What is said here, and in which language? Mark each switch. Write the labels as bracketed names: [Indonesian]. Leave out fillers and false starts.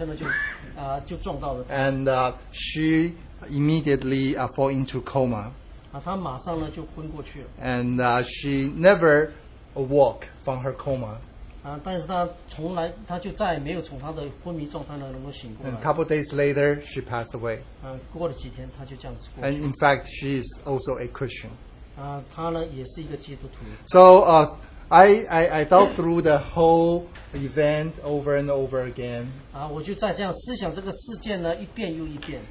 [Chinese] 结果呢，第二辆车呢就撞了第一辆车，结果第一辆车呢就撞到了。 [English] And she immediately fall into coma. [Chinese] 她马上呢就昏过去了。 [English] And she never awoke from her coma. [Chinese] 但是她从来，她就再也没有从她的昏迷状态呢能够醒过来。 [English] And a couple days later, she passed away. [Chinese] 过了几天，她就这样子过去了。 [English] And in fact, she is also a Christian. [Chinese] 她呢也是一个基督徒。 [English] So I thought through the whole event over and over again. [Chinese] 我就在这样思想这个事件呢，一遍又一遍。